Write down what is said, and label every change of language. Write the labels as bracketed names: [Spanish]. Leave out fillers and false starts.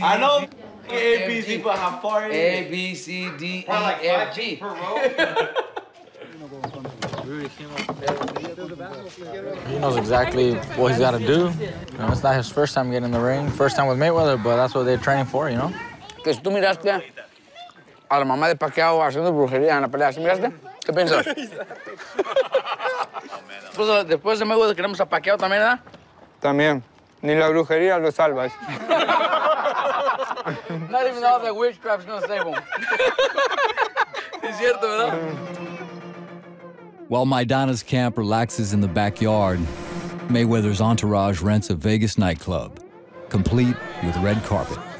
[English] I know A, B, C, but how far is it? A, B, C, D, E, F, G. He knows exactly what he's got to do. You know, it's not his first time getting in the ring, first time with Mayweather, but that's what they're training for, you know? [Spanish] Que si tú miraste a la mamá de Pacquiao haciendo brujería en la pelea, si miraste, ¿qué piensas? Después de Mayweather queremos a Pacquiao también, ¿verdad? También. Ni la brujería lo salvas. [English] Not even all the witchcraft's gonna save him. [Spanish] Es cierto, ¿verdad? [English] While Maidana's camp relaxes in the backyard, Mayweather's entourage rents a Vegas nightclub, complete with red carpet.